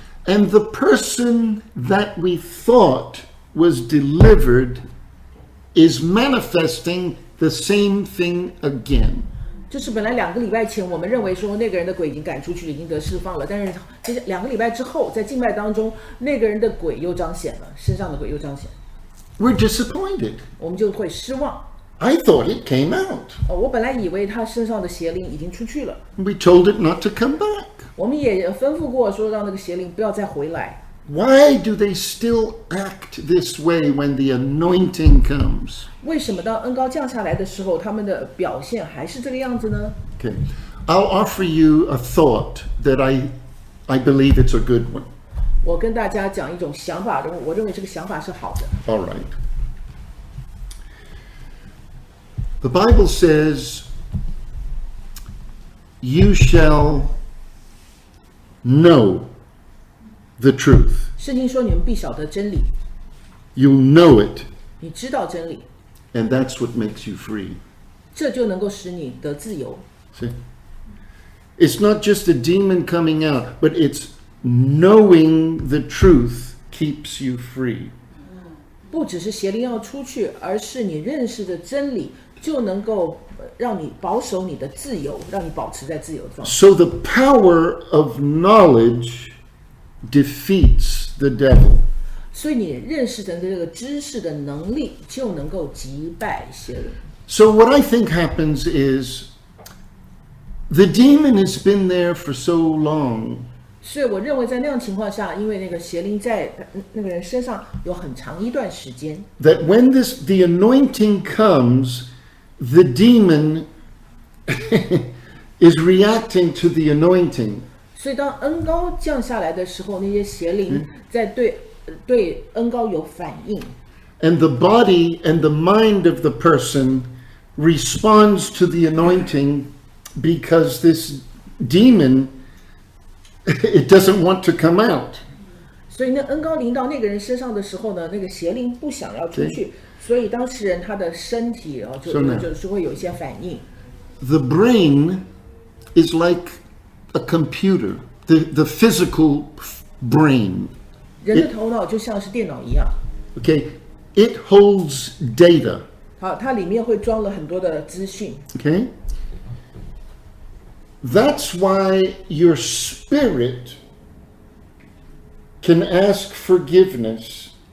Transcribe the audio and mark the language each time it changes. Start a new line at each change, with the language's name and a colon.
English: And the person that we thought was delivered is manifesting the same thing again.
Chinese: 就是本来两个礼拜前我们认为说那个人的鬼已经赶出去已经得释放了，但是两个礼拜之后在敬拜当中那个人的鬼又彰显了，身上的鬼又彰显。
English: We're disappointed.
Chinese: 我们就会失望。
English: I thought it came out.
Chinese: 我本来以为他身上的邪灵已经出去了。
English: We told it not to come back.
Chinese: 我们也吩咐过说让那个邪灵不要再回来。
English: Why do they still act this way when the anointing comes?
Chinese: 为什么当恩膏降下来的时候他们的表现还是这个样子呢？
English: Okay. I'll offer you a thought that I believe it's a good one.
Chinese: 我跟大家讲一种想法，我认为这个想法是好的。
English: All right. The Bible says, you shall know the truth.
Chinese: 圣经说你们必晓得真理。
English: You'll know it.
Chinese: 你知道真理。
English: And that's what makes you free.
Chinese: 这就能够使你得自由。
English: See? It's not just a demon coming out, but it's knowing the truth keeps you free.
Chinese: 不只是邪灵要出去，而是你认识的真理就能够让你保守你的自由，让你保持在自由中。
English: So the power of knowledge defeats the devil.
Chinese: 所以你认识的这个知识的能力就能够击败邪灵。
English: So what I think happens is, the demon has been there for so long.
Chinese: 所以我认为在那样情况下，因为那个邪灵在那个人身上有很长一段时间。
English: That when this the anointing comes, the demon is reacting to the anointing.
Chinese: 所以当恩膏降下来的时候，那些邪灵在对恩膏有反应。
English: And the body and the mind of the person responds to the anointing because this demon. It doesn't want to come out.
Chinese: 所以那恩膏临到那个人身上的时候呢，那个邪灵不想要出去，所以当事人他的身体啊，就会有一些反应。
English: The brain is like a computer, the physical brain.
Chinese: 人的头脑就像是电脑一样。
English: Okay, it holds data.
Chinese: 好，它里面会装了很多的资讯。
English: Okay. That's why your spirit can ask forgiveness.